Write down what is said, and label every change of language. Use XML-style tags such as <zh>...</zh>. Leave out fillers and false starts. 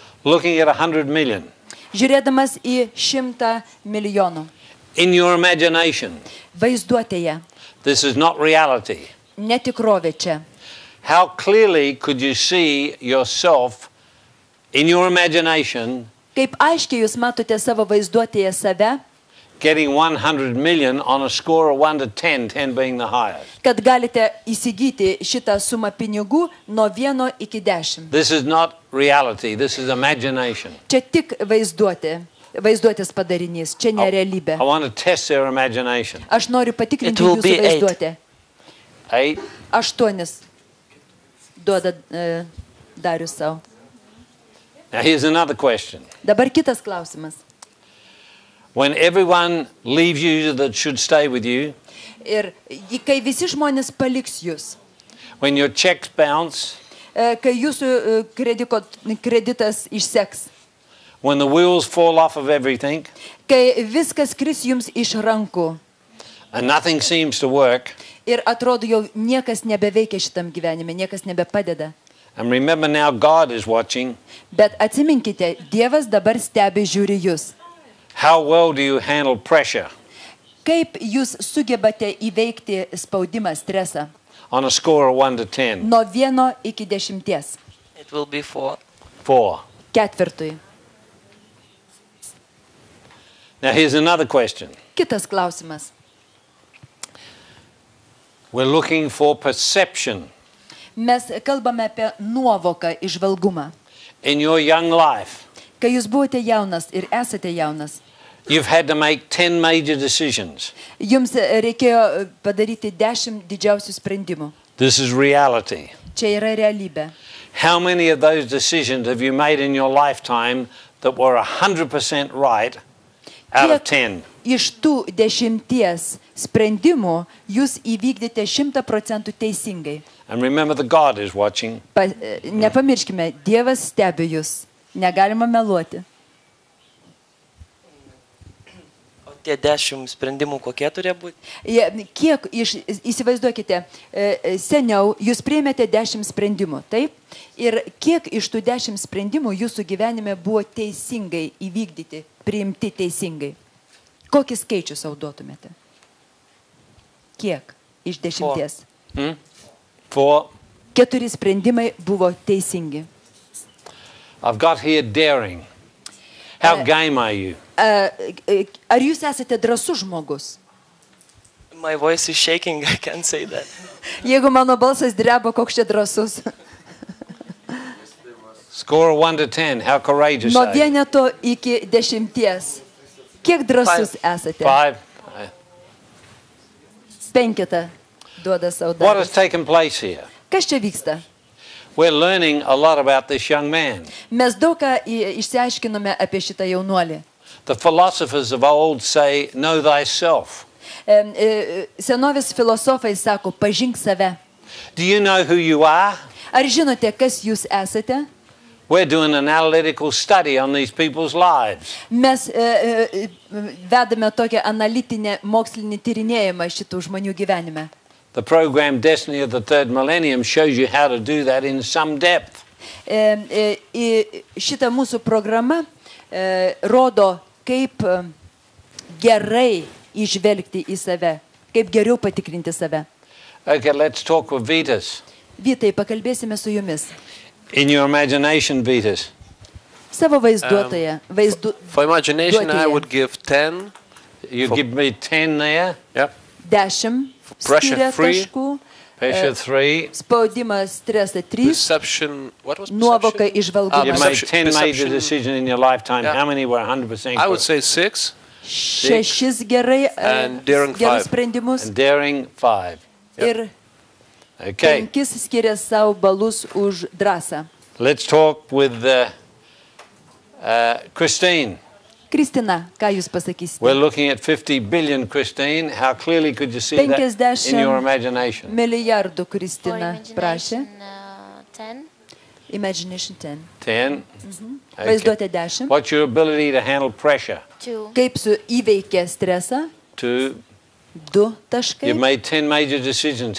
<en>Looking at 100 million.</en> <lt>Žiūrėdamas į 100 milijonų.</lt> <en>In your imagination.</en> <lt>Vaizduotėje.</lt> <en>This is not reality.</en> <lt>Netikrovė čia.</lt> <en>How clearly could you see yourself in your imagination?</en> <lt>Kaip aiškiai jūs matote savo vaizduotėje save?</lt> <en>Getting 100 million on a score of 1 to 10, 10 being the highest.</en> <lt>Kad galite įsigyti šitą sumą pinigų nuo 1 iki 10.</lt> <en>This is not reality, this is imagination.</en> <lt>Čia tik vaizduotės padarinys, čia ne realybė.</lt> <en>I want to test your imagination.</en> <lt>Aš noriu patikrinti jūsų vaizduotę.</lt> <en>8.</en> <lt>8 duoda Darius savo.</lt> <en>Now here's another question.</en> <lt>Dabar kitas klausimas.</lt> <en>When everyone leaves you that should stay with you.</en> <lt>Ir kai visi žmonės paliks jus.</lt> <en>When your checks bounce.</en> <lt>Kai jūsų kreditas išseks.</lt> <en>When the wheels fall off of everything.</en> <lt>Kai viskas kris jums iš rankų.</lt> <en>And nothing seems to work.</en> <lt>Ir atrodo jau niekas nebeveikia šitam gyvenime, niekas nebepadeda.</lt> <en>And remember now God is watching.</en> <lt>Bet atsiminkite, Dievas dabar stebi žiūri jus.</lt> <en>How well do you handle pressure?</en> <lt>Kaip jūs sugebate įveikti spaudimą, stresą?</lt> <en>On a score of 1 to 10.</en> <lt>Nuo 1 iki 10.</lt> <en>It will be 4.</en> <lt>4. Ketvirtui.</lt> <en>Now here's another question.</en> <lt>Kitas klausimas.</lt> <en>We're looking for perception.</en> <lt>Mes kalbame apie nuovoką, įžvalgumą.</lt> <en>In your young life.</en> <lt>Kai jūs buvote jaunas ir esate jaunas.</lt> <en>You've had to make 10 major decisions.</en> <lt>Jums reikėjo padaryti 10 didžiausių sprendimų.</lt> <en>This is reality.</en> <lt>Čia yra realybė.</lt> <en>How many of those decisions have you made in your lifetime that were 100% right out of 10?</en> <lt>Iš tų 10 sprendimų jūs įvykdėte 100% teisingai.</lt> <en>And remember that God is watching.</en> <lt>Nepamirškime, Dievas stebi jūs. Negalima meluoti. O tie 10 sprendimų kokie turėjo būti? Kiek įsivaizduokite, seniau jūs priėmėte 10 sprendimų, taip? Ir kiek iš tų 10 sprendimų jūsų gyvenime buvo teisingai įvykdyti, priimti teisingai? Kokį skaičių savo duotumėte? Kiek iš 10? 4. 4 sprendimai buvo teisingi.</lt> <en>I've got here daring. How game are you?</en> <lt>Ar jūs esate drąsus žmogus?</lt> <en>My voice is shaking, I can't say that.</en> <lt>Jeigu mano balsas dreba, koks čia drąsus.</lt> <en>Score 1 to 10, how courageous.</en> <lt>Nuo vieneto iki 10. Kiek drąsus esate?</lt> <en>5.</en> <lt>5. Duoda savo darbą.</lt> <en>What has taken place here?</en> <lt>Kas čia vyksta?</lt> <en>We're learning a lot about this young man.</en> <lt>Mes daug ką išsiaiškinome apie šitą jaunuolį.</lt> <en>The philosophers of old say, know thyself.</en> <lt>Senovės filosofai sako, pažink save.</lt> <en>Do you know who you are?</en> <lt>Ar žinote, kas jūs esate?</lt> <en>We're doing an analytical study on these people's lives.</en> <lt>Mes vedame tokią analitinę mokslinį tyrinėjimą šitų žmonių gyvenime.</lt> <en>The program Destiny of the Third Millennium shows you how to do that in some depth.</en> <lt>Šita mūsų programa rodo, kaip gerai išvelgti į save, kaip geriau patikrinti save.</lt> <en>Okay, let's talk with Vitas.</en> <lt>Vitai, pakalbėsime su jumis.</lt> <en>In your imagination, Vitas.</en> <lt>Savo vaizduotoje,</lt> <en>For imagination, I would give 10. You give me 10 there. Yep. 10. Pressure 3.</en> <lt>Spaudimas, stresą 3.</lt> <en>Perception, what was</en> <lt>nuovoka, įžvalgumas.</lt> <en>You made 10 major decisions in your lifetime. Yeah. How many were 100%? I would say 6.</en> <lt>6 gerai, gerus sprendimus.</lt> <en>And daring 5. Yep. Ir okay.</en> <lt>5 skiria savo balus už drąsą.</lt> <en>Let's talk with Christine.</en> <lt>Kristina, ką jūs pasakysite?</lt> <en>We're looking at 50 billion, Christine. How clearly could you see that in your imagination?</en> <lt>50 milijardų, Kristina, prašė.</lt> <en>10. Imagination 10. 10.</en> <lt>Mhm. Vaizduotė 10.</lt> <en>What's your ability to handle pressure? 2.</en> <lt>Kaip su įveikė stresą? 2. 2 taškai.</lt> <en>You made 10 major decisions.</en>